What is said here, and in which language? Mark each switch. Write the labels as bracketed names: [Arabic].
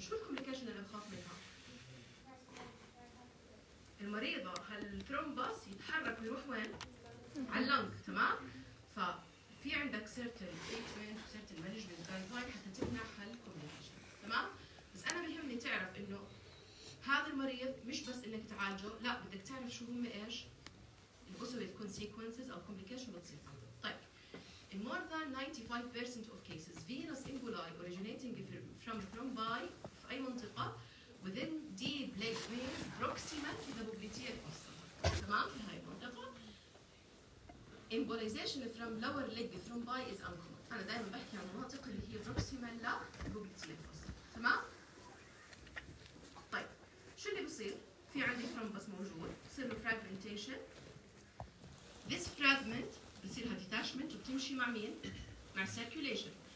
[Arabic] شو الكومبليكيشن اللي بخاف منها؟ المريضه هالثرومبوس يتحرك ويروح وين؟ على اللنج، تمام؟ ففي عندك [English] certain treatment وسيرتن management guideline [Arabic] حتى تمنع هالكومبليكيشن، تمام؟ بس انا بيهمني تعرف انه هذا المريض مش بس انك تعالجه، لا بدك تعرف شو هم ايش الاسوي الكونسيكونسز او كومبليكيشن بتصير عنده. [English] طيب in more than 95% of cases, venous emboli originating from thrombi [Arabic] في أي منطقة [English] within deep leg veins proximal to the popliteal fossa. تمام؟ [Arabic] في هاي المنطقة [English] embolization from lower leg thrombi is uncommon. [Arabic] أنا دائما بحكي عن المنطقة اللي هي proximal للpopliteal fossa. تمام؟ طيب شو اللي بصير؟ في عندي thrombus موجود، بصير fragmentation. [English] This fragment [Arabic] بصيرها detachment وبتمشي مع مين؟ مع circulation.